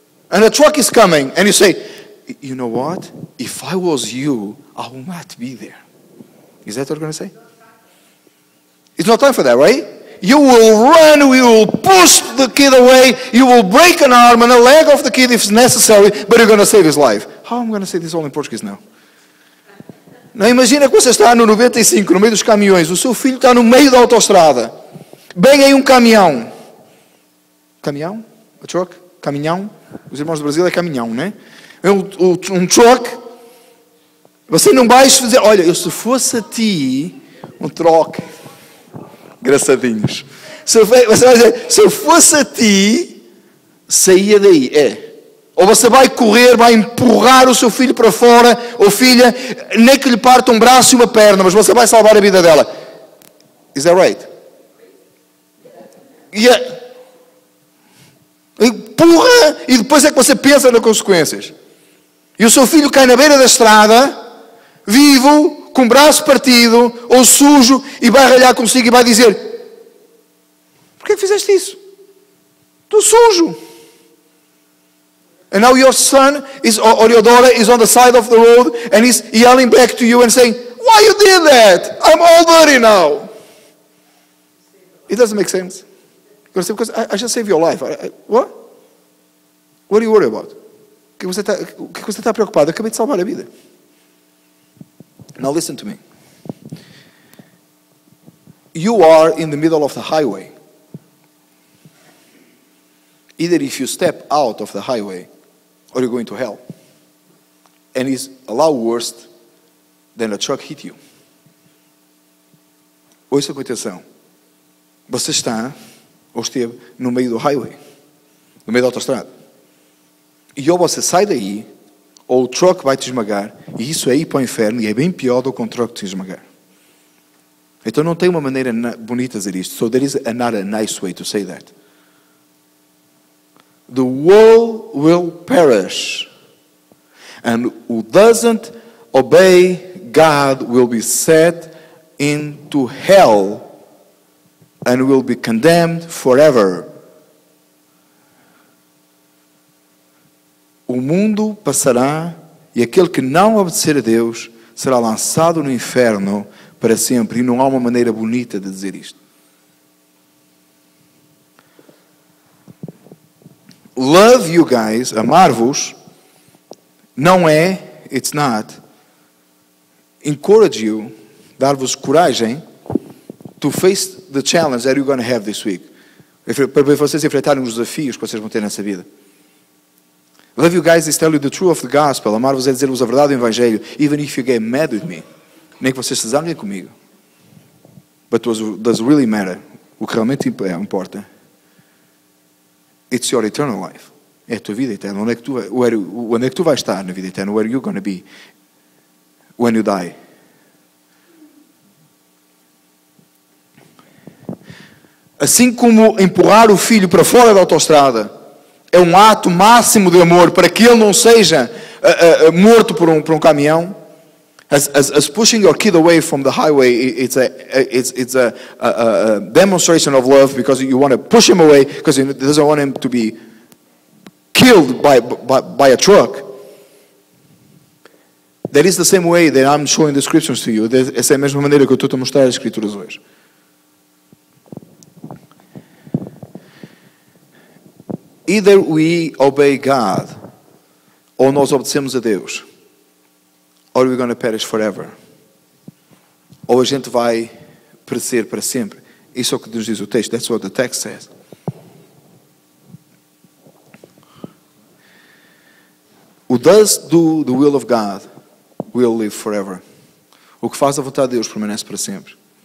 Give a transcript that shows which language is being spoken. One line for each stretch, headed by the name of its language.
English: And a truck is coming, and you say, you know what? If I was you, I would not be there. Is that what you're going to say? It's not time for that, right? You will run, you will push the kid away, you will break an arm and a leg of the kid if necessary, but you're going to save his life. How am I going to say this all in Portuguese now?
Portuguese: Não, imagina que você está no 95, no meio dos caminhões, o seu filho está no meio da autoestrada. Bem aí um caminhão. Caminhão? A truck? Caminhão? Os irmãos do Brasil é caminhão, né? É um truck. Você não vai dizer, olha, eu se fosse a ti, um truck. Engraçadinhos. Você vai dizer, se eu fosse a ti, saía daí. É. Ou você vai correr, vai empurrar o seu filho para fora, ou filha, nem que lhe parta um braço e uma perna, mas você vai salvar a vida dela.
English: Is that right?
Portuguese: Yeah. Empurra, e depois é que você pensa nas consequências. E o seu filho cai na beira da estrada, vivo, com o braço partido, ou sujo, e vai ralhar consigo e vai dizer, porquê que fizeste isso? Estou sujo.
English: And now your son is, or your daughter is on the side of the road and he's yelling back to you and saying, why you did that? I'm all dirty now. It doesn't make sense. You're going to say, because I just saved your life. What? What are you worried about?
Portuguese: O que você está preocupado? Eu acabei de salvar a vida.
English: Now listen to me. You are in the middle of the highway. Either if you step out of the highway, or you're going to hell. And it's a lot worse than a truck hit you.
Portuguese: Ouça com atenção. Você está, ou esteve, no meio do highway. No meio da autoestrada. E ou você sai daí, ou o truck vai te esmagar, e isso é ir para o inferno, e é bem pior do que um truck te esmagar. Então não tem uma maneira bonita de dizer isto.
English: So there is not a nice way to say that. The world will perish. And who doesn't obey God will be set into hell and will be condemned forever.
Portuguese: O mundo passará e aquele que não obedecer a Deus será lançado no inferno para sempre. E não há uma maneira bonita de dizer isto.
English: Love you guys,
Portuguese: amar-vos, não é,
English: it's not, encourage you,
Portuguese: dar-vos coragem,
English: to face the challenge that you're going to have this week.
Portuguese: Para vocês enfrentarem os desafios que vocês vão ter nessa vida.
English: Love you guys is tell you the truth of the gospel,
Portuguese: amar-vos é dizer-vos a verdade do evangelho,
English: even if you get mad with me,
Portuguese: nem que vocês se zanguem comigo.
English: But does really matter,
Portuguese: o que realmente importa.
English: It's your eternal life.
Portuguese: É a tua vida eterna. Onde é que tu, onde é que tu vais estar na vida eterna?
English: Where are you going to be when you die?
Portuguese: Assim como empurrar o filho para fora da autoestrada é um ato máximo de amor para que ele não seja morto por um caminhão,
English: as pushing your kid away from the highway, it's a demonstration of love because you want to push him away because you doesn't want him to be killed by a truck. That is the same way that I'm showing the scriptures to you.
Portuguese: Essa é a mesma maneira que eu estou a mostrar as escrituras hoje.
English: Either we obey God,
Portuguese: ou nós obedecemos a Deus,
English: or we're going to perish forever.
Portuguese: Ou a gente vai perecer para sempre. Isso é o que Deus diz o texto.
English: That's what the text says. Who does do the will of God will live forever.
Portuguese: O que faz a vontade de Deus permanece para sempre.